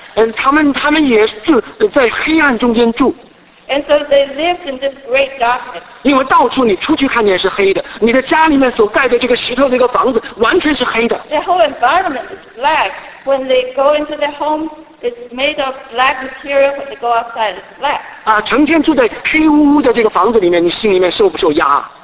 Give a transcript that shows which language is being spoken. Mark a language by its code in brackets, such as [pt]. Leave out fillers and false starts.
[zh] And 他们也住在黑暗中间住。 [en] And so they lived in this great darkness. [zh] 因为到处你出去看见是黑的，你的家里面所盖的这个石头这个房子完全是黑的。 [en] The whole environment is black. When they go into their homes, it's made of black material. When they go outside, it's black. [zh] 啊，成天住在黑乌乌的这个房子里面，你心里面受不受压？